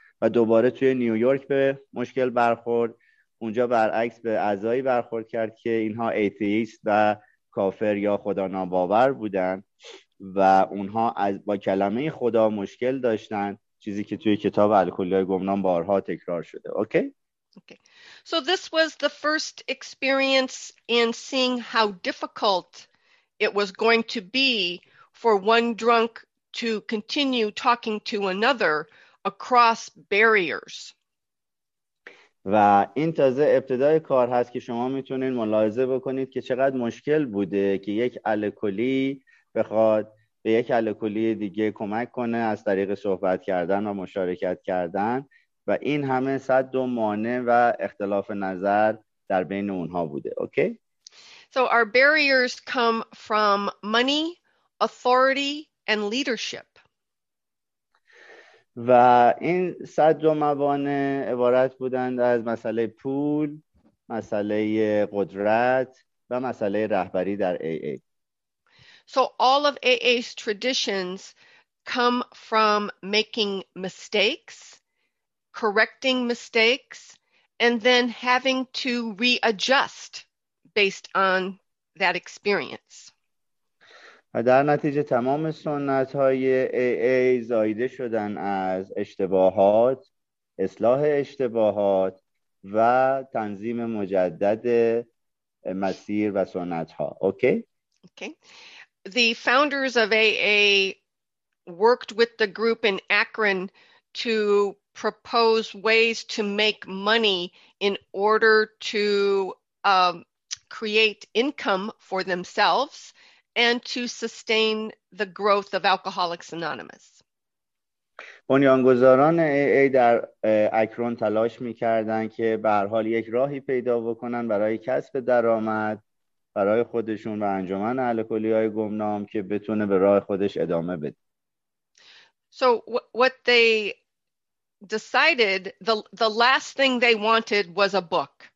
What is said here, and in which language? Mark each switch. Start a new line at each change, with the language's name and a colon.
Persian: و دوباره توی نیویورک به مشکل برخورد، اونجا برعکس به اعضایی برخورد کرد که اینها ایتیست و کافر یا خدا ناباور بودن و اونها از با کلمه خدا مشکل داشتن، چیزی که توی کتاب الکلیای گمنام بارها تکرار شده.
English: Okay? Okay. So this was the first experience in seeing how difficult it was going to be for one drunk to continue talking to another across barriers.
Persian: و این تازه ابتدای کار هست که شما میتونید ملاحظه بکنید که چقدر مشکل بوده که یک الکلی بخواد به یک الکلی دیگه کمک کنه از طریق صحبت کردن و مشارکت کردن، و این همه صد و مانع و اختلاف نظر در بین اونها بوده.
English: Okay? So our barriers come from money, authority and leadership.
Persian: و این صد و موانع عبارت بودند از مسئله پول، مسئله قدرت و مسئله رهبری در AA.
English: So all of AA's traditions come from making mistakes, correcting mistakes, and then having to readjust based on that experience.
Persian: و در نتیجه تمام سنت های AA زایده شدن از اشتباهات، اصلاح اشتباهات و تنظیم مجدد مسیر و سنت ها.
English: Okay? اوکی. The founders of AA worked with the group in Akron to propose ways to make money in order to create income for themselves and to sustain the growth of Alcoholics Anonymous.
Persian: بنیانگذاران AA در اکرون تلاش می‌کردند که به هر حال یک راهی پیدا بکنن برای کسب درآمد برای خودشون و انجمن الکلی‌های گمنام که بتونه به راه خودش ادامه بده.
English: So what they decided, the last thing they wanted was a book.